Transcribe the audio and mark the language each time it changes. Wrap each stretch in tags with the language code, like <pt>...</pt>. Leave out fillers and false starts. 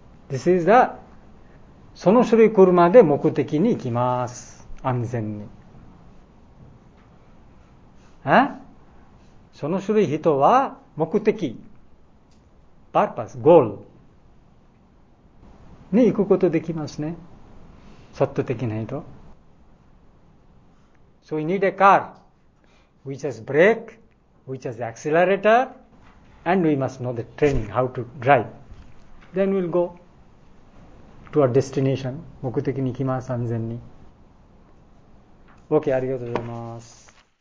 <en>This is the、</en> <ja>その種類車で目的に行きます。安全に。その種類人は目的、パーパス、ゴールに行くことできますね。率直的な人。</ja> <en>So we need a car, which has brake, which has accelerator, and we must know the training, how to drive. Then we'll go to our destination.</en> <ja>目的に行きます、安全に。OK、ありがとうございます。</ja>